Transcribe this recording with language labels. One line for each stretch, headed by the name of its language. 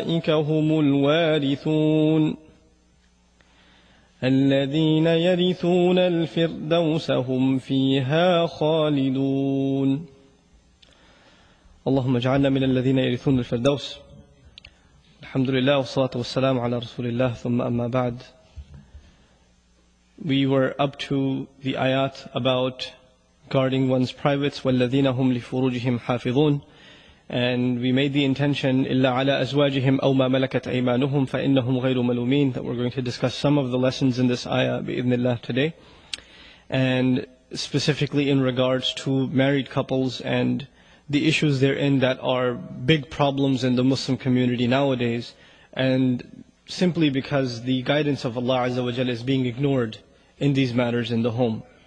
Arabic: هم الوارثون الذين يرثون الفردوس هم فيها خالدون اللهم اجعلنا من الذين يرثون الفردوس الحمد لله والصلاة والسلام على رسول الله ثم أما بعد.
English: We were up to the ayat about guarding one's privates.
Arabic: والذين هم لفروجهم حافظون.
English: And we made the intention,
Arabic: إلا على أزواجهم أو ما ملكت أيمانهم فإنهم غير ملومين.
English: That we're going to discuss some of the lessons in this ayah
Arabic: بإذن الله
English: today. And specifically in regards to married couples and the issues therein that are big problems in the Muslim community nowadays, and simply because the guidance of Allah Azza wa Jalla is being ignored in these matters in the home.